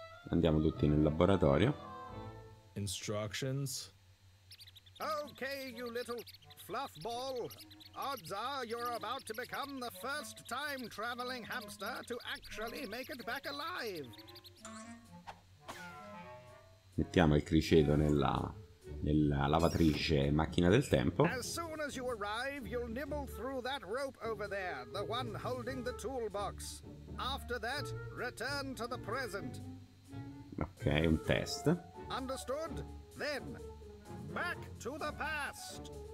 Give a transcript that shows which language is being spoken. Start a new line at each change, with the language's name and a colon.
Italian: Andiamo tutti nel laboratorio.
English: Instructions? Ok, you little fluffball. Odds are you're about to become the first time-traveling hamster to actually make it back alive.
Italian: Mettiamo il criceto nella lavatrice macchina del tempo.
English: As soon as you arrive, you'll nibble through that rope over there, the one holding the toolbox. After that, return to the present.
Italian: Ok, un test.
English: Understood? Then, back to the past!